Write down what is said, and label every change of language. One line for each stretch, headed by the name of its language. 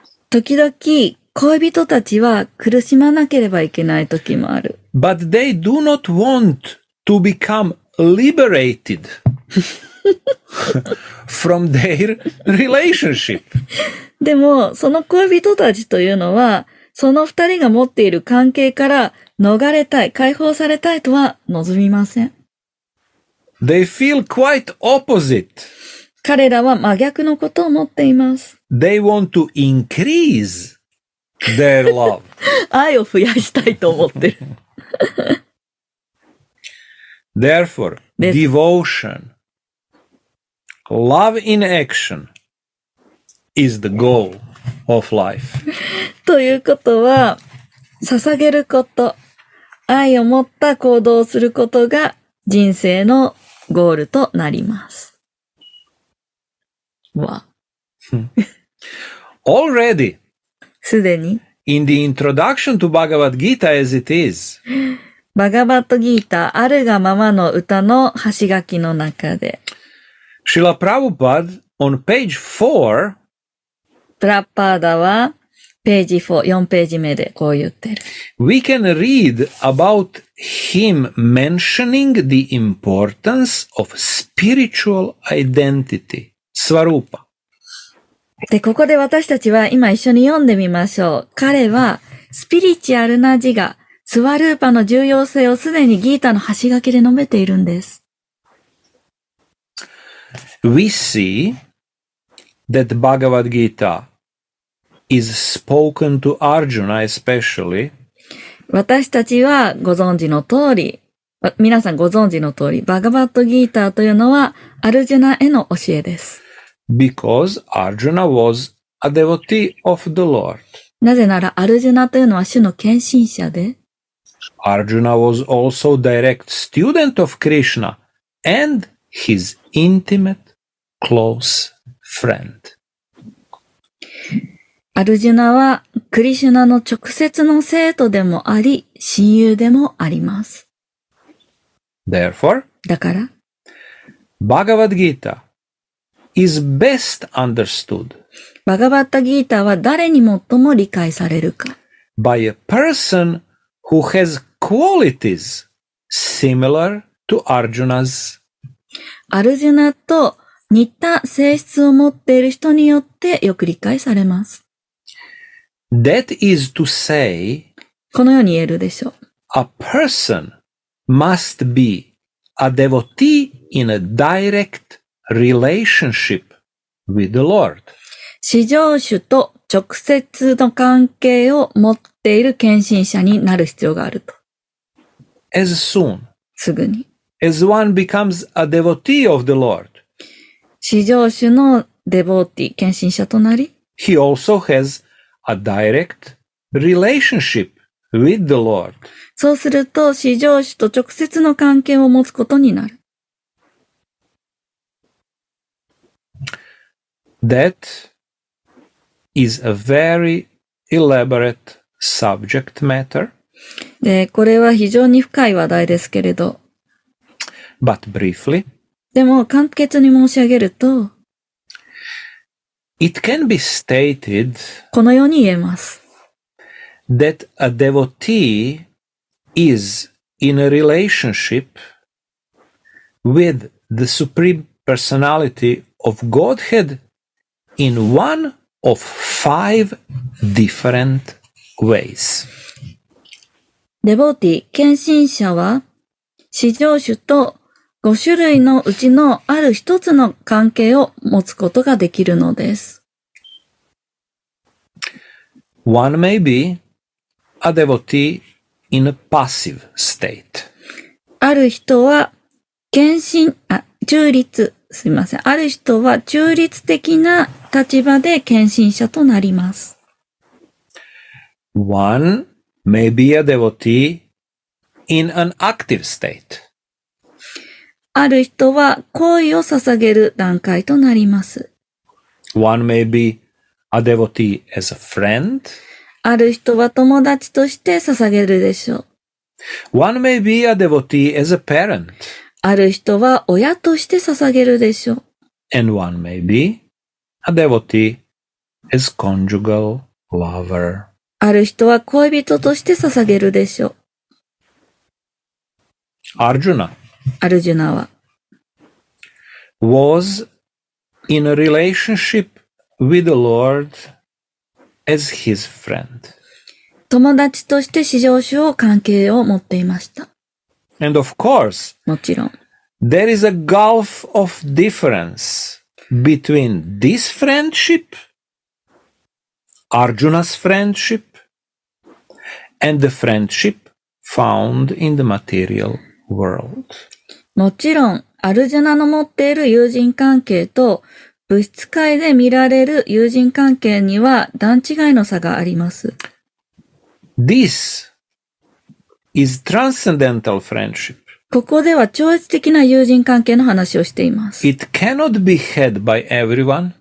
Japanese: 時々恋人たちは苦しまなければいけない時もある。
English: But they do not want to become liberated from their relationship.
Japanese: でもその恋人たちというのはその二人が持っている関係から逃れたい、解放されたいとは望みません。
English: They feel quite opposite.
Japanese: 彼らは真逆のことを思っています。
English: They want to increase their love.
Japanese: 愛を増やしたいと思ってる。
English: Therefore, devotion, love in action is the goal of life.
Japanese: ということは、捧げること、愛を持った行動をすることが人生のゴールとなります。
English: Already,
Japanese: すでに
English: in the introduction to Bhagavad Gita as it is,
Japanese: Bhagavad Gita, あるがままの歌の端書きの中で、
English: Srila Prabhupada on page 4,
Japanese: プラッパーダはページ4、4ページ目でこう言ってる。
English: We can read about him mentioning the importance of spiritual identity.
Japanese: スワルーパ。で、ここで私たちは今一緒に読んでみましょう。彼は、スピリチュアルな自我、スワルーパの重要性をすでにギータの端書きで述べているんです。
English: We see that Bhagavad Gita is spoken to Arjuna especially.
Japanese: 私たちはご存知の通り、皆さんご存知の通り、バガバッドギーターというのはアルジュナへの教えです。
English: Because Arjuna was a devotee of the Lord.
Japanese: なぜならアルジュナというのは主の献身者で、
English: Arjuna was also direct student of Krishna and his intimate close friend.
Japanese: アルジュナはクリシュナの直接の生徒でもあり親友でもあります。
English: Therefore,
Japanese: だから、
English: Bhagavad Gita is best understood.
Japanese: バガバッタギータは誰に最も理解されるか。
English: By a person who has qualities similar to Arjuna's.
Japanese: アルジュナと似た性質を持っている人によってよく理解されます。
English: That is to say,
Japanese: このように言えるでしょう。
English: A person must be a devotee in a direct relationship with the Lord.
Japanese: 至上主と直接の関係を持っている献身者になる必要があると。
English: As soon,
Japanese: すぐに。
English: As one becomes a devotee of the Lord.
Japanese: 至上主のデボーティ、献身者となり。
English: He also has a direct relationship with the Lord.
Japanese: そうすると至上主と直接の関係を持つことになる。
English: That is a very elaborate subject matter.
Japanese: で、これは非常に深い話題ですけれど。
English: But briefly,
Japanese: でも簡潔に申し上げると、
English: It can be stated,
Japanese: このように言えます。
English: That a devotee is in a relationship with the Supreme Personality of Godhead in one of five different ways.
Japanese: デボティ、献身者は、至上主と五種類のうちのある一つの関係を持つことができるのです。
English: One may be a devotee in a passive state.
Japanese: ある人は献身、あ、中立、すみません。ある人は中立的な立場で献身者となります。
English: One may be a devotee in an active state.
Japanese: ある人は行為を捧げる段階となります。
English: One may be a devotee as a friend.
Japanese: ある人は友達として捧げるでしょう。
English: One may be a devotee as a parent.
Japanese: ある人は親として捧げるでしょう。
English: And one may be a devotee as conjugal lover.
Japanese: ある人は恋人として捧げるでしょう。アルジュナは
English: was in a relationship with the Lord as his friend.
Japanese: 友達として至上主を関係を持っていました。
English: And of course,
Japanese: もちろん、
English: there is a gulf of difference between this friendship, Arjuna's friendship,And the friendship found in the material world.
Japanese: もちろん、アルジュナの持っている友人関係と物質界で見られる友人関係には段違いの差があります。
English: This is transcendental friendship.
Japanese: ここでは超越的な友人関係の話をしています。
English: It cannot be had by everyone.